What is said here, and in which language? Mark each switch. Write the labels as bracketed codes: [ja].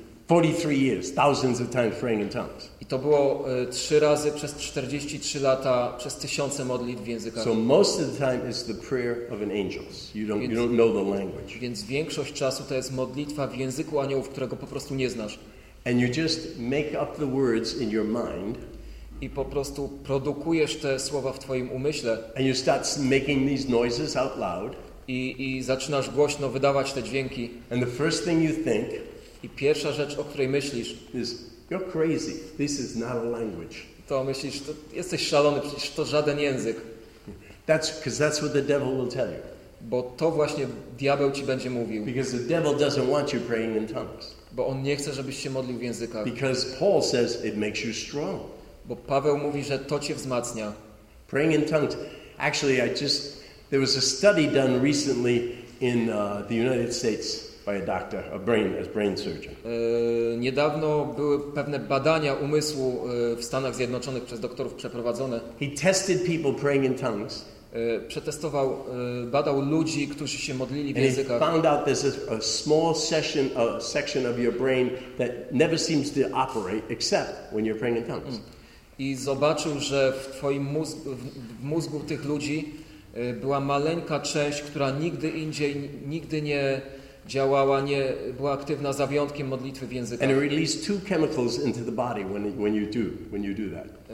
[en] 43 years, thousands of times praying in tongues. [pl] I to było trzy razy przez 43 lata przez tysiące modlitw w językach. [en] So most of the time is the prayer of an angels. You don't know the language. [pl] Więc większość czasu to jest modlitwa w języku aniołów, którego po prostu nie znasz. [en] And you just make up the words in your mind. [pl] I po prostu produkujesz te słowa w twoim umyśle. [en] And you start making these noises out loud. [pl] I zaczynasz głośno wydawać te dźwięki. [en] And the first thing you think. [pl] I pierwsza rzecz, o której myślisz, [en] is, you're crazy. This is not a language. [pl] To myślisz, to jesteś szalony, przecież to żaden język. [en] That's what the devil will tell you. [pl] Bo to właśnie diabeł ci będzie mówił. [en] Because the devil doesn't want you praying in tongues. [pl] Bo on nie chce, żebyś się modlił w językach. [en] Because Paul says it makes you strong. [pl] Bo Paweł mówi, że to cię wzmacnia. [en] Praying in tongues. Actually, there was a study done recently in the United States. By a doctor, a brain surgeon. [pl] Niedawno były pewne badania umysłu w Stanach Zjednoczonych przez doktorów przeprowadzone. [en] He tested people praying in tongues. [pl] Przetestował, badał ludzi, którzy się modlili w językach. [en] And he found out there's a small session, a section of your brain that never seems to operate except when you're praying in tongues. [pl] I zobaczył, że w twoim mózgu, w mózgu tych ludzi była maleńka część, która nigdy indziej, nigdy nie działała, nie była aktywna, za wyjątkiem modlitwy w językach. [en] And it released two chemicals into the body when you do that.